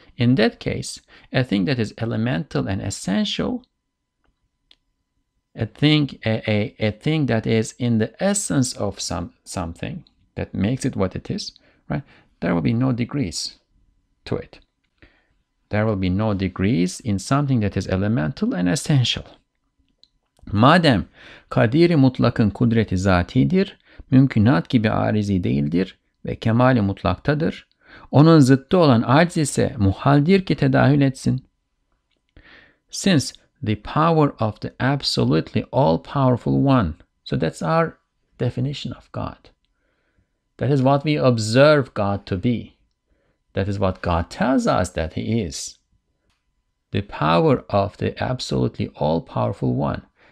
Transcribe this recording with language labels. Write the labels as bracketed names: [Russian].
[English] In that case, a thing that is elemental and essential, a thing that is in the essence of something that makes it what it is, right? There will be no degrees to it. There will be no degrees in something that is elemental and essential. [Turkish] Madem kadiri mutlakın kudreti zatidir, mümkünat gibi arizi değildir ve kemali mutlaktadır. Onun zıttı olan aciz ise muhaldir ki tedahül etsin. [English] Since the power of the absolutely all-powerful one. So that's our definition of God. That is what we observe God to be. That is what God tells us that he is. The power of the absolutely all-powerful one.